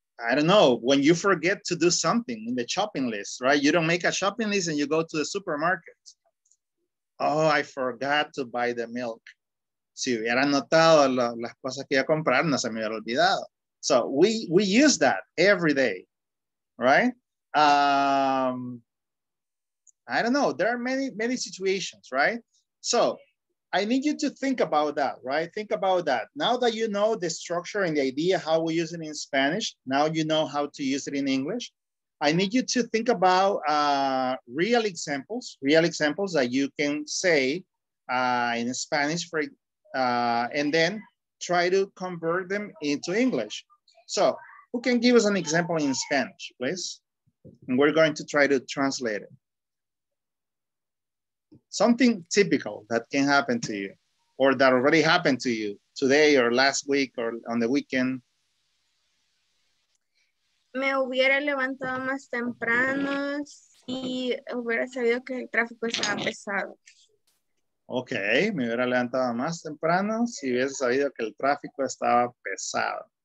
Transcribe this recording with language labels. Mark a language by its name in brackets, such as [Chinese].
[English] I don't know, when you forget to do something in the shopping list, right? You don't make a shopping list and you go to the supermarket. Oh, I forgot to buy the milk. [Spanish] Si hubiera notado las cosas que iba a comprar, no se me hubiera olvidado. [English] So we use that every day, right? I don't know. There are many situations, right? So I need you to think about that, right? Think about that. Now that you know the structure and the idea, how we use it in Spanish, now you know how to use it in English. I need you to think about real examples that you can say in Spanish for, and then try to convert them into English. So who can give us an example in Spanish, please? And we're going to try to translate it. Something typical that can happen to you or that already happened to you today or last week or on the weekend. [Spanish] Me hubiera levantado más temprano si hubiera sabido que el tráfico estaba pesado. Okay, me hubiera levantado más temprano si hubiese sabido que el tráfico estaba pesado.